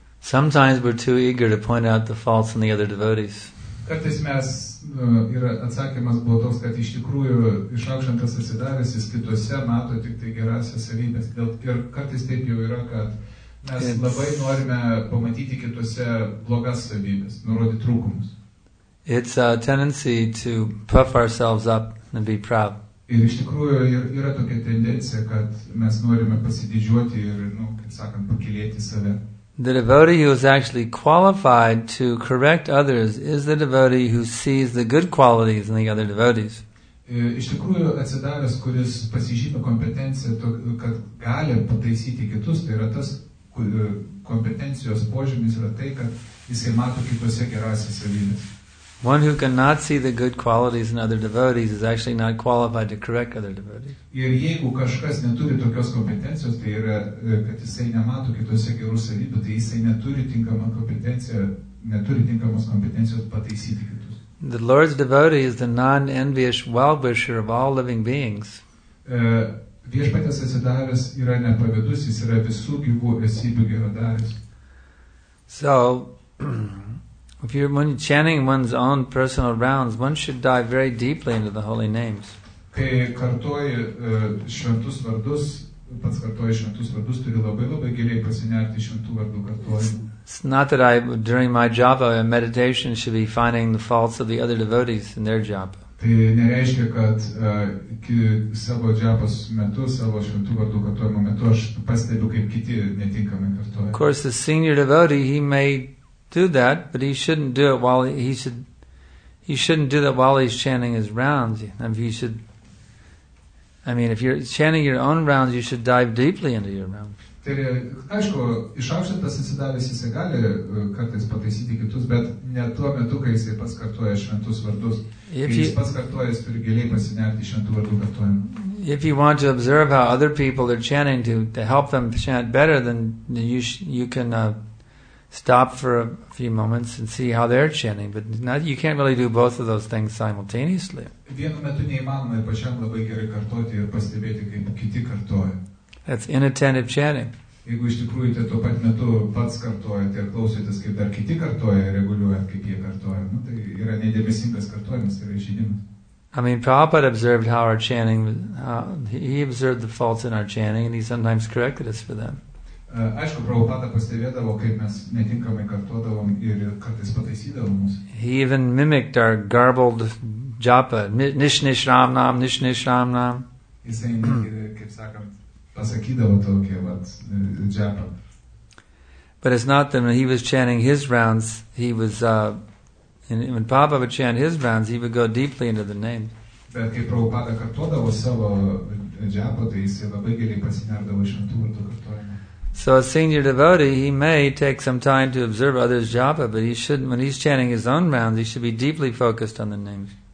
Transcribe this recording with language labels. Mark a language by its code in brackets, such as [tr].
[en] Sometimes we're too eager to point out the faults in the other devotees. [lt] Kartais mes, ir atsakymas buvo toks, kad iš tikrųjų išaukštintas atsidavęs jis kituose mato tik tai gerasias savybės. Ir kartais taip jau yra, kad mes [en] it's, [lt] labai norime pamatyti kitose blogas savybės, nurodyti trūkumus. [en] It's a tendency to puff ourselves up and be proud. [lt] Ir iš tikrųjų yra tokia tendencija, kad mes norime pasididžiuoti ir, nu, kaip sakant, pakylėti save. [en] The devotee who is actually qualified to correct others is the devotee who sees the good qualities in the other devotees. [lt] Iš tikrųjų, atsidavęs, kuris pasižymi kompetenciją, kad gali pataisyti kitus, tai yra tas kompetencijos požymis yra tai, kad jis mato kitose gerasias savybės. [en] One who cannot see the good qualities in other devotees is actually not qualified to correct other devotees. [lt] Ir jeigu kažkas neturi tokios kompetencijos, tai yra, kad jisai nemato kitose gerų savybių, tai jisai neturi tinkamą kompetenciją, neturi tinkamos kompetencijos pataisyti kitus. [en] The Lord's devotee is the non-envious well-wisher of all living beings. [lt] Viešpatės atsidavęs yra nepavydus, jis yra visų gyvų esybių geradaris. [en] So, if you're when you're chanting one's own personal rounds, one should dive very deeply into the holy names. [lt] Kai kartoji šventus vardus, pats kartoji šventus vardus, turi labai labai giliai pasinerti šventų vardų kartojimą. [en] It's not that I, during my japa, a meditation should be finding the faults of the other devotees in their japa. [lt] Tai nereiškia, kad savo džiapos metu, savo šventų vardų kartojimo metu, aš pastebiu, kaip kiti netinkamai kartoja. [en] Of course, the senior devotee, he may do that, but he shouldn't do it while he's chanting his rounds. If you're chanting your own rounds, you should dive deeply into your rounds. [lt] Tai, aišku, iš aukštintas atsidavęs jisai gali kartais pataisyti kitus, bet ne tuo metu, kai jisai pats kartuoja šventus vardus. [en] If [lt] kai jis pats kartuoja, jis turi giliai pasinerti šventų vardų kartuojimą. [en] If you want to observe how other people are chanting to help them chant better, then you can stop for a few moments and see how they're chanting, but not, you can't really do both of those things simultaneously. [lt] Vienu metu neįmanoma ir pačiam labai gerai kartuoti ir pastebėti, kaip kiti kartuoja. [en] That's inattentive chanting. [lt] Jeigu iš tikrųjų tai tuo pat metu pats kartuojate ir klausytas, kaip dar kiti kartuoja ir reguliuojat, kaip jie kartuoja, nu, tai yra nedėmesingas kartuojimas, tai yra išėdimas. [en] I mean, Prabhupada observed how our chanting, he observed the faults in our chanting and he sometimes corrected us for them. [lt] Aišku, Prabhupada pastebėdavo, kaip mes netinkamai kartuodavom ir kartais pataisydavom mus. [en] He even mimicked our garbled japa, nish nish ram nam, nish nish ram nam. [lt] Jisai, kaip sakant, pasakydavo tokie, vat, japa. [en] But it's not that when he was chanting his rounds, he was, when Papa would chant his rounds, he would go deeply into the name. [lt] Bet kai Prabhupada kartuodavo savo japa, tai jisai labai giliai pasinerdavo šventų vardų kartuojimą. [en] So a senior devotee, he may take some time to observe others' japa, but he shouldn't, when he's chanting his own rounds, he should be deeply focused on the names.